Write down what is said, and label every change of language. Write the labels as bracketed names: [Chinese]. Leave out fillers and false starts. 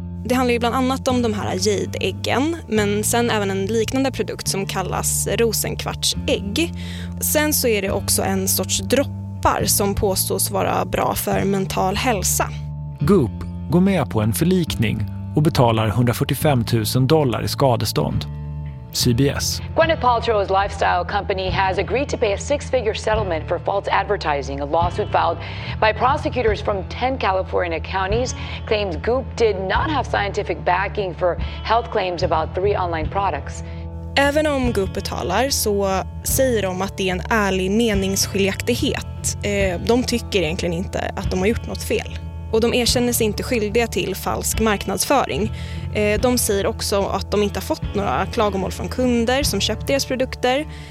[Swedish] Det handlar ju bland annat om de här jadeäggen, men sen även en liknande produkt som kallas rosenkvartsägg. Sen så är det också en sorts droppar som påstås vara bra för mental hälsa. Goop går med på en förlikning och betalar $145,000 i skadestånd. CBS. [English] Gwyneth Paltrow's lifestyle company has agreed to pay a six-figure settlement for false advertising. A lawsuit filed by prosecutors from 10 California counties claims Goop did not have scientific backing for health claims about three online products. [Swedish] Även om Goop betalar så säger de att det är en ärlig meningsskiljaktighet. De tycker egentligen inte att de har gjort något fel. Och de erkänner sig inte skyldiga till falsk marknadsföring. De säger också att de inte har fått några klagomål från kunder som köpt deras produkter.